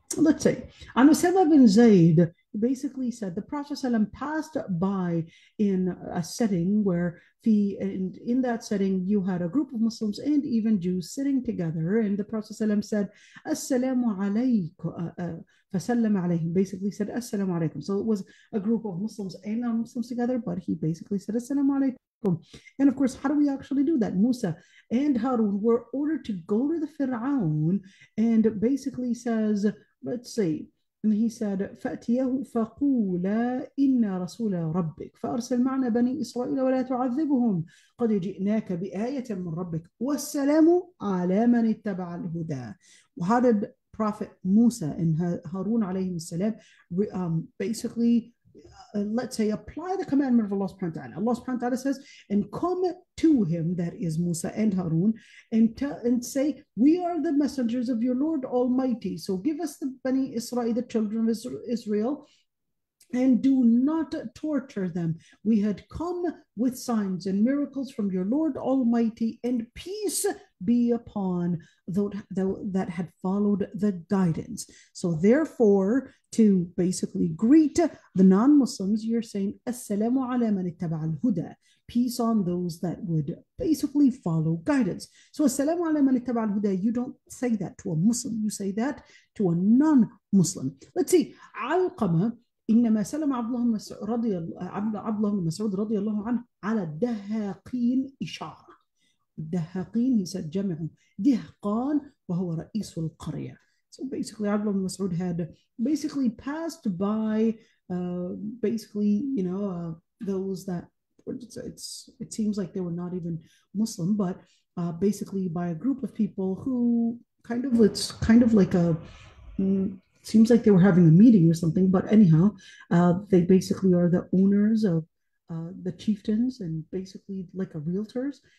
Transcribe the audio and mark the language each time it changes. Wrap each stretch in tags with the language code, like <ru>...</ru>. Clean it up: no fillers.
<en>Let's say, عن أسامة بن زيد, basically said, the Prophet ﷺ passed by in a setting where, in that setting, you had a group of Muslims and even Jews sitting together, and the Prophet ﷺ said, assalamu alaykum,</en> <ar>fasallam alayhim,</ar> <en>basically said, assalamu alaykum. So it was a group of Muslims and non-Muslims together, but he basically said, assalamu alaykum. And of course, how do we actually do that? Musa and Harun were ordered to go to the Fir'aun, and basically says, let's see, and he said,</en> <ar>فَأْتِيَهُ فَقُولَ إِنَّا رَسُولَ رَبِّكَ فَأَرْسَلْ مَعْنَا بَنِي إِسْرَائِيلَ وَلَا تُعَذِّبُهُمْ قَدْ جِئْنَاكَ بِآيَةٍ مِنْ رَبِّكَ وَالسَّلَامُ عَلَى مَنِ اتَّبَعَ الْهُدَى.</ar> <en>How did Prophet Musa and Harun alayhi salam basically, let's say, apply the commandment of Allah subhanahu wa ta'ala? Allah subhanahu wa ta'ala says, and come to him, that is Musa and Harun, and say, we are the messengers of your Lord Almighty, so give us the Bani Israel, the children of Israel, and do not torture them. We had come with signs and miracles from your Lord Almighty, and peace be upon those that had followed the guidance. So therefore, to basically greet the non-Muslims, you're saying,</en> <ar>assalamu ala man ittaba'a al-huda,</ar> <en>peace on those that would basically follow guidance. So</en> <ar>assalamu ala man ittaba'a al-huda,</ar> <en>you don't say that to a Muslim, you say that to a non-Muslim. Let's see, Alqama,</en> <ar>إنما سلم عبد الله مسعود رضي الله عنه على الدهاقين إشارة. الدهاقين,</ar> <en>he said,</en> <ar>جمع دهقان وهو رئيس القرية.</ar> <en>So basically, عبد الله مسعود had basically passed by, basically, you know, those that, it seems like they were not even Muslim, but basically by a group of people who kind of, it's kind of like a, seems like they were having a meeting or something, but anyhow, they basically are the owners of the chieftains and basically like a realtors.</en>